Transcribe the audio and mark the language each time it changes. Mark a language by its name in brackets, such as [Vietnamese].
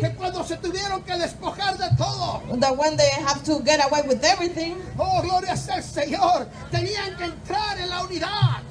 [Spanish] que cuando se tuvieron que despojar de todo, [English] that when they have to get away with everything, [Spanish] oh gloria sea el Señor, tenían que entrar en la unidad,